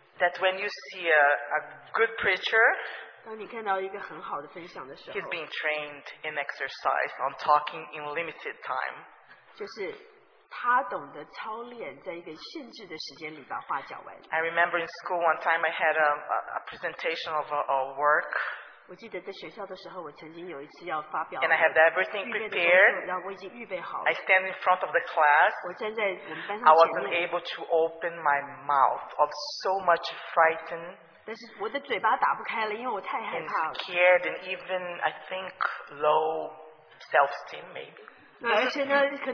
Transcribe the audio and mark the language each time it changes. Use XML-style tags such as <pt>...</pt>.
<en>that when you see a good preacher, he's being trained in exercise on talking in limited time.</en> <zh>就是他懂得操练在一个限制的时间里把话讲完。</zh> <en>I remember in school one time I had a presentation of a work.</en> <zh>我记得在学校的时候，我曾经有一次要发表。</zh> <en>And I had everything prepared.</en> <zh>然后我已经预备好了。</zh> <en>I stand in front of the class.</en> <zh>我站在我们班上前面。</zh> <en>I wasn't able to open my mouth. I was so much frightened.</en> <zh>但是我的嘴巴打不开了，因为我太害怕了。</zh> <en>And scared, and even I think low self-esteem maybe.</en>